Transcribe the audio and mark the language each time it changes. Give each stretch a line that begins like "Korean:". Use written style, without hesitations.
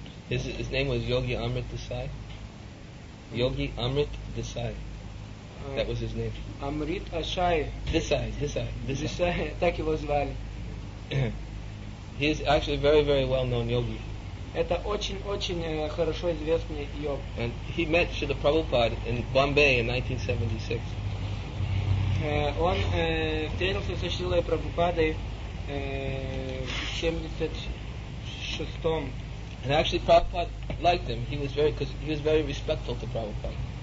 English: His name was Yogi Amrit Desai. Yogi Amrit Desai. That was his name. Amrit Ashai. Desai.
Russian: Так его звали.
English: He is actually a very, very well-known yogi.
Russian: Это очень-очень хорошо известный йог.
English: And he met Srila Prabhupada in Bombay in 1976.
Russian: Он встретился со Шрилой Прабхупадой в 76-м.
English: And actually Prabhupada liked him. He was very respectful to Prabhupada.